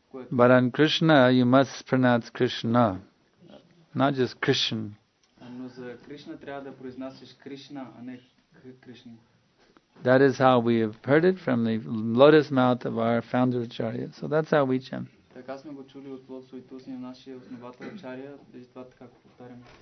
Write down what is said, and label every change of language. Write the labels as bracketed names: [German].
[English] But on Krishna, you must pronounce Krishna, not just Krishna. [Bulgarian] Но за Кришна трябва да произнасяш Кришна, а не Кришна. [English] That is how we have heard it from the lotus mouth of our founder Acharya. So that's how we chant. [Bulgarian] Така сме го чули от лотосовите устни на нашия основател Ачария, и това така повтарям.